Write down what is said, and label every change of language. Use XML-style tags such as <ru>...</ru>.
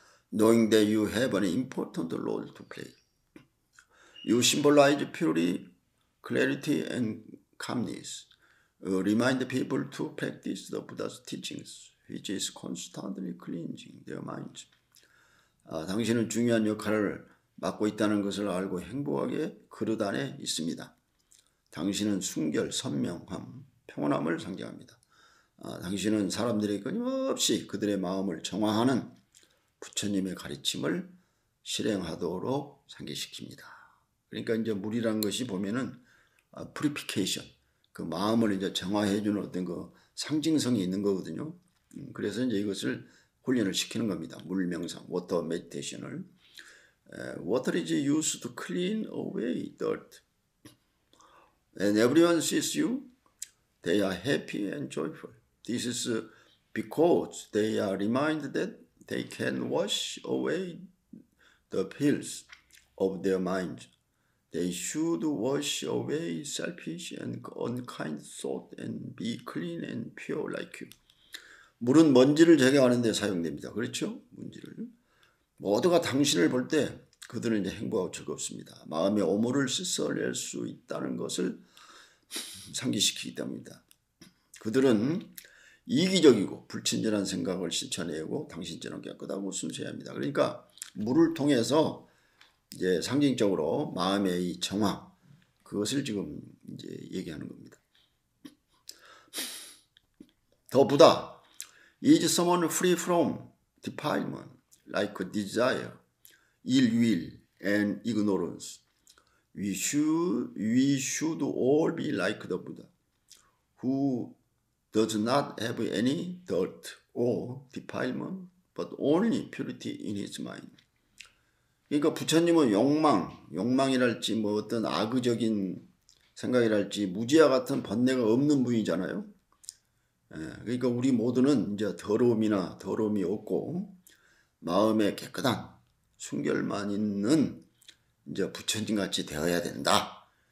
<en>Knowing that you have an important role to play. You symbolize purity, clarity, and calmness. Remind people to practice the Buddha's teachings, which is constantly cleansing their minds.</en> <ko>당신은 중요한 역할을 맡고 있다는 것을 알고 행복하게 그릇 안에 있습니다. 당신은 순결, 선명함, 평온함을 상징합니다. 당신은 사람들이 끊임없이 그들의 마음을 정화하는 부처님의 가르침을 실행하도록 상기시킵니다. 그러니까 이제 물이라는 것이 보면은 purification, 그 마음을 이제 정화해주는 어떤 그 상징성이 있는 거거든요. 그래서 이제 이것을 훈련을 시키는 겁니다. 물 명상,</ko> <en>water meditation을. Water is used to clean away dirt. And everyone sees you, they are happy and joyful. This is because they are reminded that They can wash away the filth of their mind. They should wash away selfish and unkind thought and be clean and pure like you.</en> <ko>물은 먼지를 제거하는 데 사용됩니다. 그렇죠? 먼지를. 모두가 당신을 볼 때, 그들은 이제 행복하고 즐겁습니다. 마음의 오물을 씻어낼 수 있다는 것을 상기시키기 때문입니다. 그들은 이기적이고 불친절한 생각을 씻어내고 당신처럼 깨끗하고 순수해야 합니다. 그러니까 물을 통해서 이제 상징적으로 마음의 이 정화, 그것을 지금 이제 얘기하는 겁니다.</ko> <en>더 부다, is someone free from defilement, like desire, ill will, and ignorance? We should all be like the Buddha, who does not have any dirt or defilement, but only purity in his mind.</en> <ko>그러니까 부처님은 욕망이랄지 뭐 어떤 악의적인 생각이랄지 무지와 같은 번뇌가 없는 분이잖아요. 그러니까 우리 모두는 이제 더러움이나 더러움이 없고 마음에 깨끗한 순결만 있는 이제 부처님 같이 되어야 된다.</ko>